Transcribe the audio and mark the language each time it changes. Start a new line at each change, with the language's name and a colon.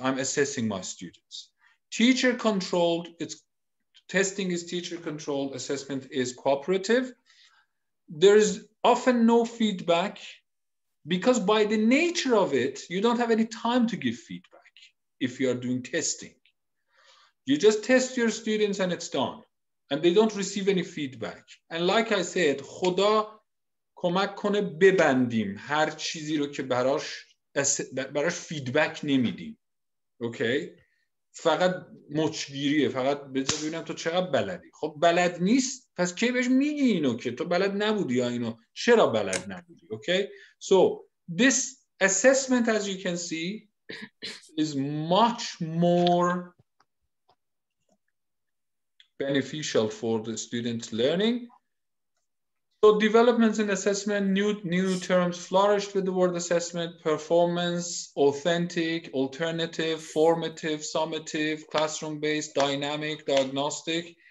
English: I'm assessing my students. Teacher controlled, it's testing is teacher controlled, assessment is cooperative. There is often no feedback because by the nature of it, you don't have any time to give feedback if you are doing testing. You just test your students and it's done. And they don't receive any feedback. And like I said,
Persian: خدا کمک کنه ببندیم هر چیزی رو که براش فیدبک نمیدیم. Okay? فقط مچگیریه. فقط بذار ببینم تو چقدر بلدی. خب بلد نیست. پس کی بهش میگی اینو که تو بلد نبودی یا اینو. چرا بلد نبودی. Okay?
English: So this assessment, as you can see, is much more beneficial for the students learning. So developments in assessment, new terms flourished with the word assessment, performance, authentic, alternative, formative, summative, classroom-based, dynamic, diagnostic.